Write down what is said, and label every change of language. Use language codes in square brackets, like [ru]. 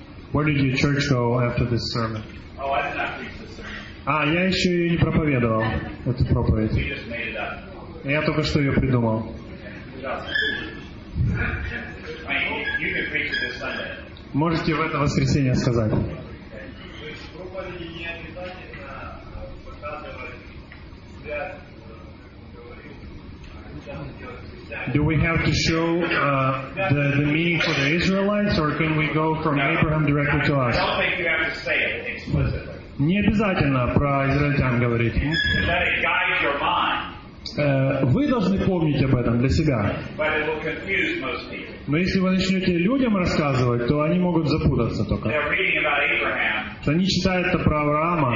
[en] Where did your church go after this sermon? Oh, I did not preach this sermon. [ru] А, я еще и не проповедовал эту проповедь. [en] We just made it up. [ru] Я только что ее придумал. [en] You can preach it this Sunday. [ru] Можете в это воскресенье сказать. [en] Do we have to show the meaning for the Israelites, or can we go from Abraham directly to us? I don't think you have to say it explicitly. [ru] Не обязательно про израильтян говорить. [en] Let it guide your mind. [ru] Вы должны помнить об этом для себя. [en] But it will confuse most people. [ru] Но если вы начнете людям рассказывать, то они могут запутаться только. [en] They're reading about Abraham. [ru] То они читают про Авраама.